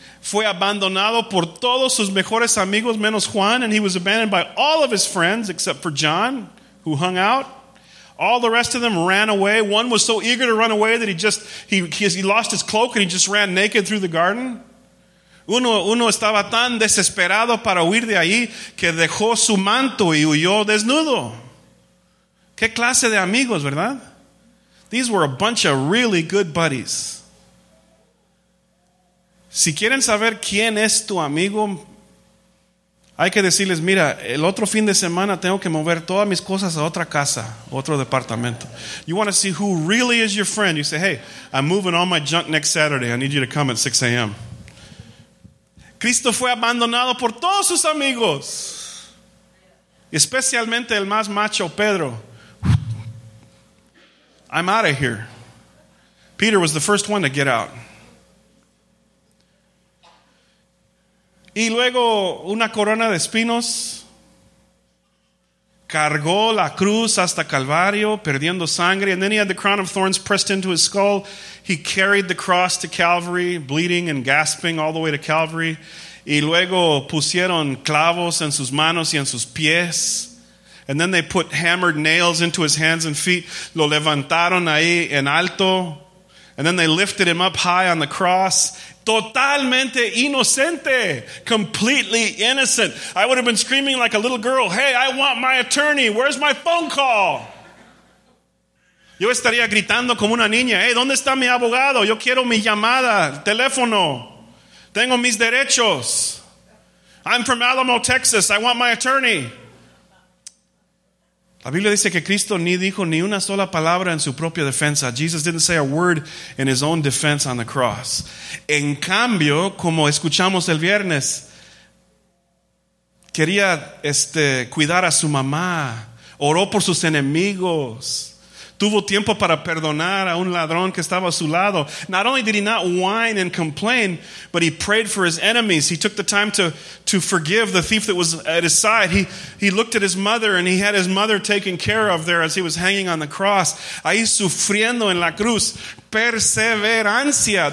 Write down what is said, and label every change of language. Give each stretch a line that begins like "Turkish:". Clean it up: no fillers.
Spanish: Fue abandonado por todos sus mejores amigos menos Juan,
English: and he was abandoned by all of his friends except for John, who hung out. All the rest of them ran away. One was so eager to run away that he lost his cloak and he just ran naked through the garden.
Spanish: Uno estaba tan desesperado para huir de ahí que dejó su manto y huyó desnudo. ¿Qué clase de amigos, verdad?
English: These were a bunch of really good buddies.
Spanish: Si quieren saber quién es tu amigo, hay que decirles, mira, el otro fin de semana tengo que mover todas mis cosas a otra casa, otro departamento.
English: You want to see who really is your friend. You say, hey, I'm moving all my junk next Saturday. I need you to come at 6 a.m.
Spanish: Cristo fue abandonado por todos sus amigos, especialmente el más macho, Pedro.
English: I'm out of here. Peter was the first one to get out.
Spanish: Y luego una corona de espinos, cargó la cruz hasta Calvario, perdiendo sangre.
English: And then he had the crown of thorns pressed into his skull. He carried the cross to Calvary, bleeding and gasping all the way to Calvary.
Spanish: Y luego pusieron clavos en sus manos y en sus pies.
English: And then they put hammered nails into his hands and feet.
Spanish: Lo levantaron ahí en alto.
English: And then they lifted him up high on the cross.
Spanish: Totalmente inocente.
English: Completely innocent. I would have been screaming like a little girl, hey, I want my attorney. Where's my phone call?
Spanish: Yo estaría gritando como una niña, hey, ¿dónde está mi abogado? Yo quiero mi llamada, teléfono. Tengo mis derechos.
English: I'm from Alamo, Texas. I want my attorney.
Spanish: La Biblia dice que Cristo ni dijo ni una sola palabra en su propia defensa.
English: Jesus didn't say a word in his own defense on the cross.
Spanish: En cambio, como escuchamos el viernes, quería cuidar a su mamá, oró por sus enemigos, tuvo tiempo para perdonar a un ladrón que estaba a su lado.
English: Not only did he not whine and complain, but he prayed for his enemies. He took the time to forgive the thief that was at his side. He looked at his mother, and he had his mother taken care of there as he was hanging on the cross.
Spanish: Ahí sufriendo en la cruz. Perseverancia.